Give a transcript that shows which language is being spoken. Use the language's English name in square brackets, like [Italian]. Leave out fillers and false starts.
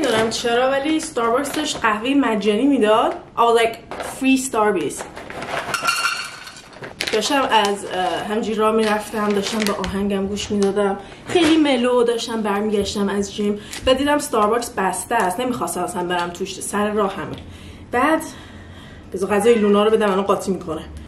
[Persian] چرا ولی ستارباکس داشت قهوه مجانی میداد. [English] I was like free Starbies. [Persian] داشتم از همجی را میرفتم، داشتم به آهنگم گوش میدادم، خیلی ملو داشتم برمیگشتم از جیم و دیدم ستارباکس بسته است، نمیخواستم اصلا برم توش سر راه همه. بعد بذار غذای لونا رو بدم، منو قاطی میکنه.